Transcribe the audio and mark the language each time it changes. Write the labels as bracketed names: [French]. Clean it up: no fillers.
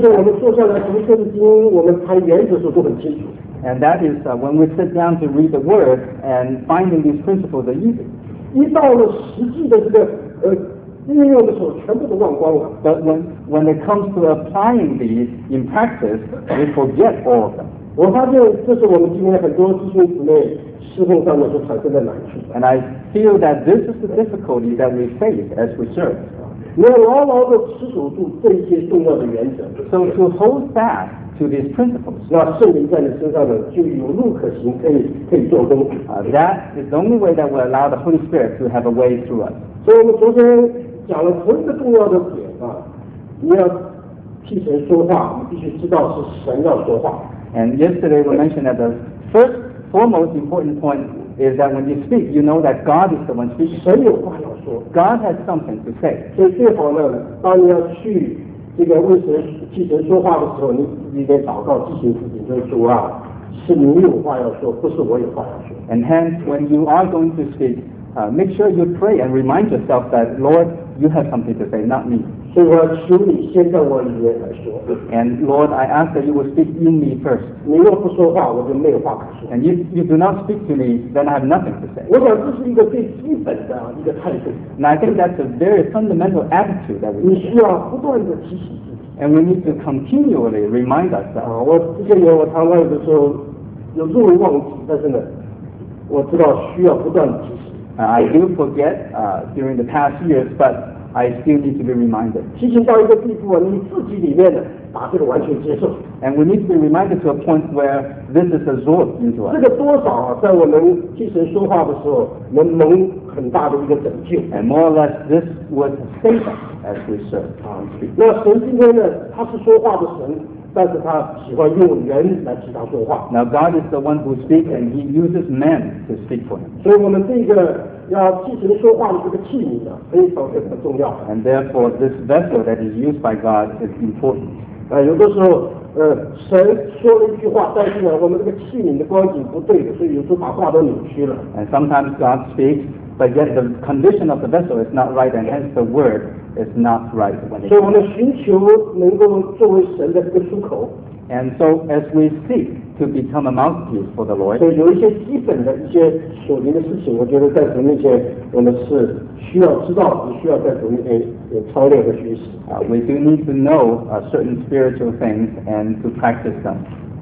[Chinese] 就是我们坐下来读圣经，我们谈原则的时候都很清楚。 [English] And that is, when we sit down to read the word and finding these principles are easy. [Chinese] 一到了实际的这个应用的时候，全部都忘光了。 [English] But when it comes to applying these in practice, we forget all of them. [Chinese] 我发现这是我们今天很多弟兄姊妹侍奉上面所产生的难处。 [English] And I feel that this is the difficulty that we face as we serve. [Chinese] 要牢牢地持守住这些重要的原则。 [English] So to hold fast to these principles. [Chinese] 那圣灵在你身上呢，就有路可行，可以做工。 [English] That is the only way that will allow the Holy Spirit to have a way through us. [Chinese] 所以我们昨天讲了同一个重要的点啊，你要替神说话，你必须知道是神要说话。 [English] And yesterday we mentioned that the first, foremost important point is that when you speak, you know that God is the one speaking. [Chinese] 神有话要说。 [English] God has something to say. [Chinese] 所以最好呢，当你要去这个为神替神说话的时候，你自己得祷告，提醒自己，就是主啊，是你有话要说，不是我有话要说。 [English] And hence, when you are going to speak, make sure you pray and remind yourself that, Lord, you have something to say, not me. [Chinese] 所以我要求你先在我里面来说。 [English] And Lord, I ask that you will speak in me first. [Chinese] 你若不说话，我就没有话可说。 [English] And if you do not speak to me, then I have nothing to say. [Chinese] 我想这是一个最基本的一个态度。 [English] And I think that's a very fundamental attitude that we need. [Chinese] 你需要不断的提醒自己。 [English] And we need to continually remind ourselves. [Chinese] 我之前有我常常有的时候有时候会忘记，但是呢，我知道需要不断的提醒。 [English] I do forget, during the past years, but I still need to be reminded. [Chinese] 提醒到一个地步，你自己里面的把这个完全接受。 [English] And we need to be reminded to a point where this is absorbed into us. [Chinese] 这个多少在我们听神说话的时候，能蒙很大的一个拯救。 [English] And more or less, this would save us as we serve. [Chinese] 那神今天呢，他是说话的神。但是他喜欢用人来替他说话。 [English] Now God is the one who speaks, and He uses men to speak for Him. [Chinese] 所以我们这个要替神说话的这个器皿呢，非常非常重要。 [English] And therefore, this vessel that is used by God is important. [Chinese] 有的时候，神说了一句话，但是呢，我们这个器皿的光景不对，所以有时候把话都扭曲了。 [English] And sometimes God speaks, but yet the condition of the vessel is not right, and hence the word. Is not right when it comes. And so, as we seek to become a mouthpiece for the Lord, we do need to know certain spiritual things and to practice them.